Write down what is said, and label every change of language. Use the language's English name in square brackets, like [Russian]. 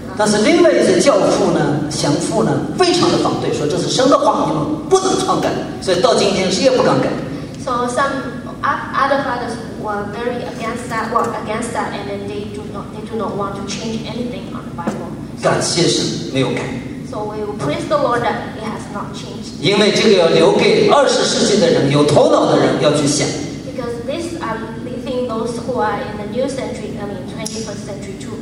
[Chinese] 但是另外一些教父呢，贤父呢，非常的反对，说这是神的话语嘛，不能篡改，所以到今天谁也不敢改。 [English] So some other fathers were very against that, and then they do not want to change anything on the Bible. [Chinese] 感谢神没有改。 [English] So we will praise the Lord that it has not changed. [Chinese] 因为这个要留给20世纪的人，有头脑的人要去想。 [English] Because these are leaving those who are in the new century, 21st century.